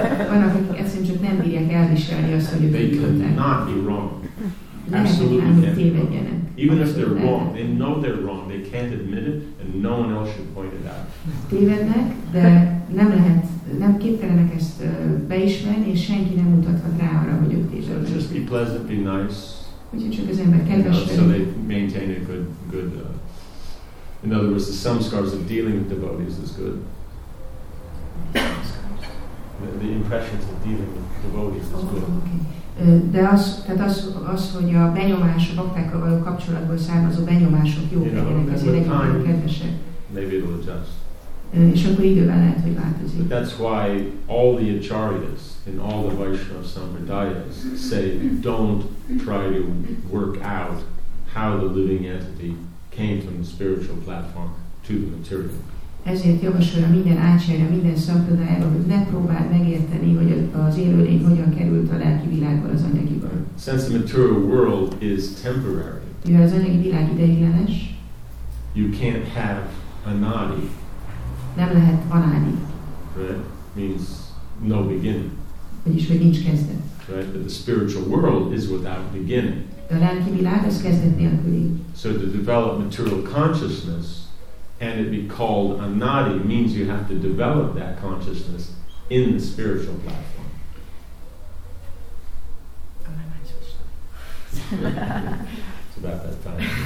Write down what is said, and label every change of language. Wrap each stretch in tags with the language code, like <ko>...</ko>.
<hu>Vannak, akik egyszerűen csak nem bírják elviselni azt, hogy ők idióták.</hu> <en>They cannot be wrong. Absolutely. Even if they're wrong, they know they're wrong. They can't admit it, and no one else should point it out.</en> <hu>Tévednek, de nem lehet, nem képtelenek ezt beismerni, és senki nem mutathat rá arra, hogy ők tévednek.</hu> <en>So just be pleasant, be nice.</en> <hu>Úgyhogy csak az ember kedves legyen.</hu> <en>So they maintain a good. In other words, the samskaras of dealing with devotees is good. The impressions of dealing with devotees is good. Okay.</en> <hu>De az, tehát az, hogy a benyomás, a baktákkal való kapcsolatból származó benyomások jók legyenek, azért legyenek kedvesek.</hu> <en>Maybe it'll adjust.</en> <hu>És akkor idővel lehet, hogy változik.</hu> <en>But that's why all the acharyas in all the Vaishnava Sampradayas say don't try to work out how the living entity came from the spiritual platform to the material.</en> <hu>Ezért javasolja minden ácsára, minden szampradájára, hogy ne próbáld megérteni, hogy az élőlény hogyan került a lelki világból az anyagiba.</hu> <en>Since the material world is temporary,</en> <hu>mivel az anyagi világ ideiglenes,</hu> <en>you can't have anadi.</en> <hu>Nem lehet anadi.</hu> <en>Right? Means no beginning.</en> <hu>Vagyis, hogy nincs kezdet.</hu> <en>Right? But the spiritual world is without beginning.</en> <hu>De a lelki világ az kezdet nélküli.</hu> <en>So to develop material consciousness, and it be called anadi means you have to develop that consciousness in the spiritual platform. It's about that time.</en>